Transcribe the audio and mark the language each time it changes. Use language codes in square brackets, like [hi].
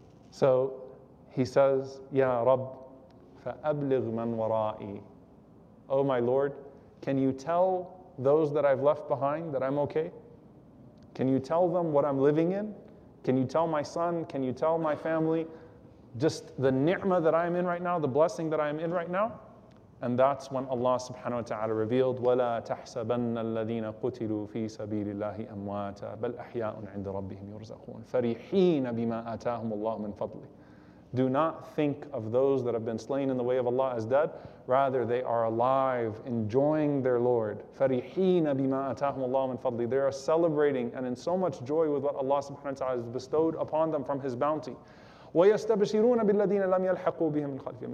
[en] So he says, [ar] Ya Rabb, fa'abligh man wara'i. [en] Oh my Lord, can you tell those that I've left behind that I'm okay? Can you tell them what I'm living in? Can you tell my son? Can you tell my family just the ni'mah that I'm in right now, the blessing that I'm in right now? And that's when Allah subhanahu wa ta'ala revealed, [ar] وَلَا تَحْسَبَنَّ الَّذِينَ قُتِلُوا فِي سَبِيلِ اللَّهِ أَمْوَاتًا بَلْ أَحْيَاءٌ عِنْدَ رَبِّهِمْ يُرْزَقُونَ فَرِحِينَ بِمَا آتَاهُمُ اللَّهُ مِنْ فَضْلِ. [en] Do not think of those that have been slain in the way of Allah as dead. Rather, they are alive, enjoying their Lord. [ar] فَرِحِينَ بِمَا آتَاهُمُ اللَّهُ مِنْ فَضْلِ. [en] They are celebrating and in so much joy with what Allah subhanahu wa ta'ala has bestowed upon them from His bounty. [ar] وَيَسْتَبْشِرُونَ بِالَّذِينَ لَمْ يَلْحَقُوا بِهِمْ مِنْ خَلْفِهِمْ.